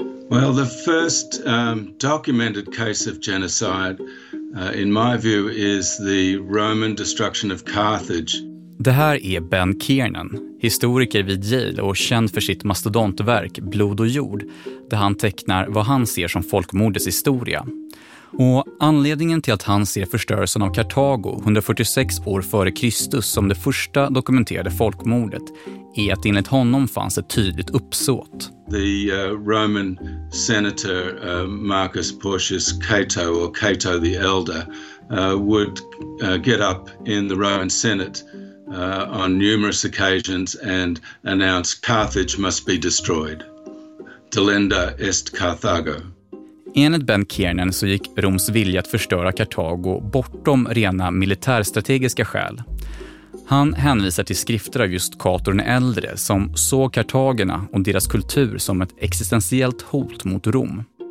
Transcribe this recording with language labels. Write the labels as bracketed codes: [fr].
[en] Well, the first documented case of genocide in my view is the Roman destruction of Carthage. [sv] Det här är Ben Kiernan, historiker vid Yale och känd för sitt mastodontverk Blod och jord, där han tecknar vad han ser som folkmordets historia. Och anledningen till att han ser förstörelsen av Karthago 146 år före Kristus som det första dokumenterade folkmordet är att enligt honom fanns ett tydligt uppsåt. [en] The Roman senator Marcus Porcius Cato, or Cato the Elder, would get up in the Roman Senate on numerous occasions and announce Carthage must be destroyed. [la] Delenda est Carthago. [sv] Enligt Ben Kiernan så gick Roms vilja att förstöra Karthago bortom rena militärstrategiska skäl. Han hänvisar till skrifter av just Cato den äldre som såg kartagerna och deras kultur som ett existentiellt hot mot Rom.